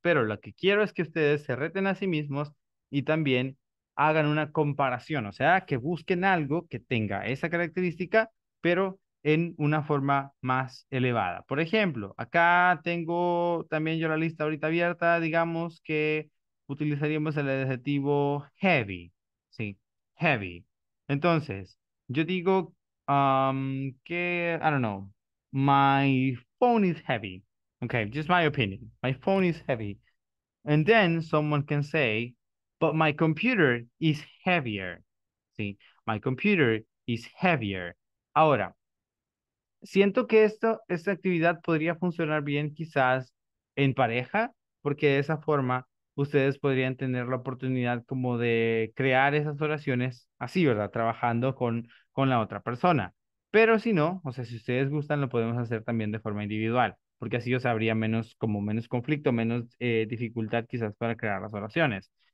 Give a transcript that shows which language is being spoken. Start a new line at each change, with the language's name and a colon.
Spanish: Pero lo que quiero es que ustedes se reten a sí mismos. Y también hagan una comparación, o sea, que busquen algo que tenga esa característica, pero en una forma más elevada. Por ejemplo, acá tengo también yo la lista ahorita abierta, digamos que utilizaríamos el adjetivo heavy, ¿sí?
English: Heavy.
Spanish: Entonces, yo digo que,
English: I don't know, my phone is heavy. Okay, just my opinion. My phone is heavy. And then someone can say, but my computer is heavier. Sí, my computer is heavier.
Spanish: Ahora, siento que esta actividad podría funcionar bien quizás en pareja, porque de esa forma ustedes podrían tener la oportunidad como de crear esas oraciones así, ¿verdad? Trabajando con la otra persona. Pero si no, o sea, si ustedes gustan, lo podemos hacer también de forma individual, porque así o sea, habría menos, como menos conflicto, menos dificultad quizás para crear las oraciones.